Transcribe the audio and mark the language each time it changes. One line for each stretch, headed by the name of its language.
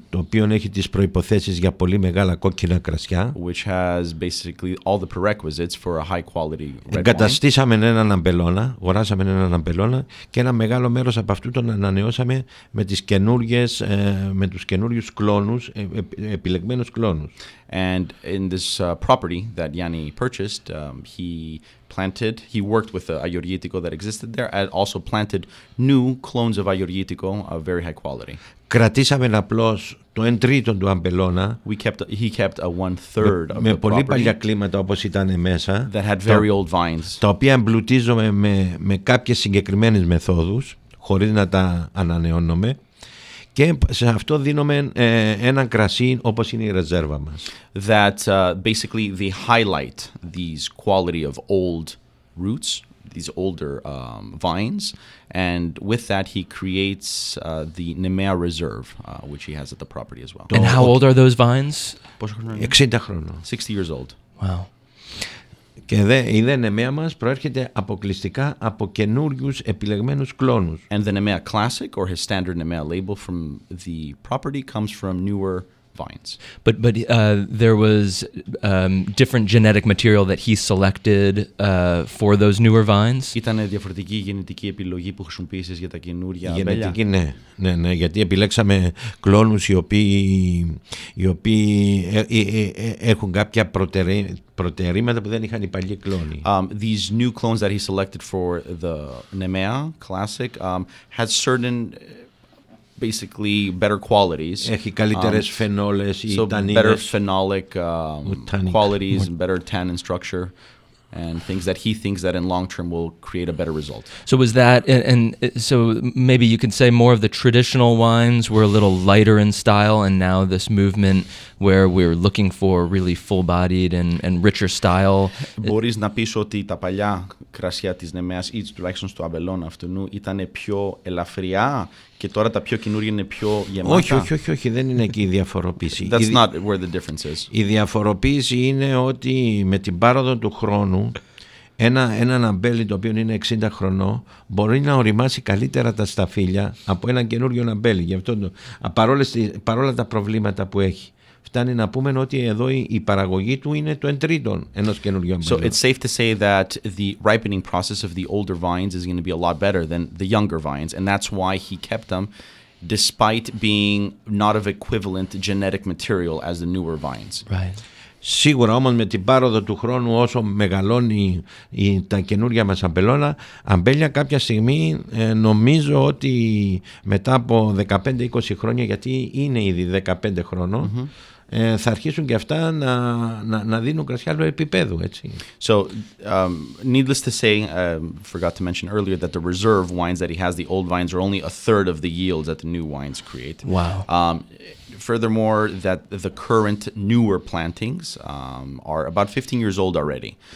Greek: Το οποίο έχει τις προϋποθέσεις για πολύ μεγάλα κόκκινα κρασιά.
English: Which has basically all the prerequisites for a high quality red wine.
Greek: Εγκαταστήσαμε έναν αμπελώνα, αγοράσαμε έναν αμπελώνα και ένα μεγάλο μέρος από αυτού τον ανανεώσαμε με τις καινούργιες με τους καινούριους κλόνους, επιλεγμένους κλόνους.
English: And in this property that Yanni purchased, he planted, he worked with the Ayurvedico that existed there and also planted new clones of Ayurvedico of very high quality.
Greek: Κρατήσαμε απλώς το 1/3 του αμπελώνα.
English: He kept a 1/3 of the property.
Greek: Με πολύ παλιά κλίματα όπως ήταν μέσα.
English: That had very old vines.
Greek: Τα οποία εμπλουτίζομαι με κάποιες συγκεκριμένες μεθόδους, χωρίς να τα ανανεώνουμε. Και σε αυτό δίνουμε έναν κρασί όπως είναι η ρεζέρβα μας.
English: That basically they highlight these quality of old roots, these older vines, and with that he creates the Nemea Reserve, which he has at the property as well. And how old are those vines?
Greek: 60 χρόνων.
English: 60 years old. Wow.
Greek: Και η Νεμαία μας προέρχεται αποκλειστικά από καινούριους επιλεγμένους κλόνους.
English: And the Nemea Classic or his standard Nemea label from the property comes from newer vines. But there was different genetic material that he selected for those newer vines.
Greek: Ήταν διαφορετική γενετική επιλογή που χρησιμοποίησες για τα καινούρια αμπέλια. Γενετική, ναι. Ναι, ναι, γιατί επιλέξαμε κλόνους οι οποίοι έχουν κάποια προτερήματα που δεν είχαν οι παλιοί κλόνοι.
English: These new clones that he selected for the Nemea Classic had certain basically better qualities.
Greek: Έχει καλύτερες φενόλες,
English: so
Greek: τανίδες,
English: better phenolic qualities, and better tannin structure, and things that he thinks that in long term will create a better result. So was that, and so maybe you could say more of the traditional wines were a little lighter in style, and now this movement where we're looking for really full-bodied and richer style.
Greek: Μπορείς να πεις ότι τα παλιά κρασιά της Νεμαίας, ή τουλάχιστον στο αμπελόν αυτού, ήταν πιο ελαφριά και τώρα τα πιο καινούργια είναι πιο γεμάτα. Όχι, δεν είναι εκεί η διαφοροποίηση.
English: That's not where the difference is.
Greek: Η διαφοροποίηση είναι ότι με την πάροδο του χρόνου, ένα αμπέλι το οποίο είναι 60 χρονών μπορεί να οριμάσει καλύτερα τα σταφύλια από ένα καινούργιο αμπέλι. Γι' αυτό παρόλα τα προβλήματα που έχει. φτάνει να πούμε ότι εδώ η παραγωγή του είναι το 1/3 ενός καινούργιου μελιού.
English: So it's safe to say that the ripening process of the older vines is going to be a lot better than the younger vines, and that's why he kept them despite being not of equivalent genetic material as the newer vines. Right.
Greek: Σίγουρα όμως με την πάροδο του χρόνου όσο μεγαλώνει τα καινούργια μας αμπέλια κάποια στιγμή νομίζω ότι μετά από 15-20 χρόνια γιατί είναι ήδη 15 χρόνων θα αρχίσουν και αυτά να δίνουν κρασιά άλλου επίπεδου, έτσι.
English: So, needless to say, forgot to mention earlier that the reserve wines that he has, the old vines, are only a third of the yields that the new wines create. Wow. Furthermore, that the current newer plantings are about 15 years old already.